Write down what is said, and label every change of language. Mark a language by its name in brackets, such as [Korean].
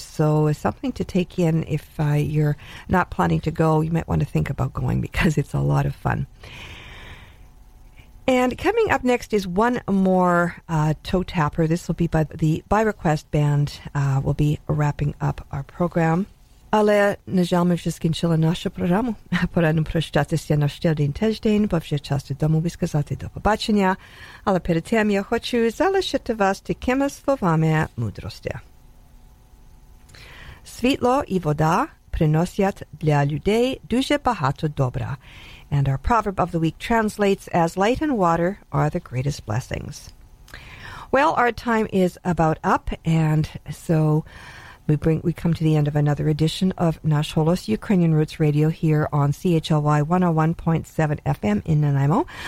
[English] So it's something to take in if you're not planning to go. You might want to think about going because it's a lot of fun. And coming up next is one more Toe Tapper. This will be by the By Request Band. We'll be wrapping up our program. [Ukrainian] Але не жалме вже скінчила нашу програму. Пора нам прощатися на ще один тиждень, бо вже час додому сказати до побачення. Але перед тим я хочу залишити вас такими словами мудрості. Світло і вода приносять для людей дуже багато добра. [English] And our proverb of the week translates as light and water are the greatest blessings. Well, our time is about up, and so We come to the end of another edition of Nash Holos Ukrainian Roots Radio here on CHLY 101.7 FM in Nanaimo.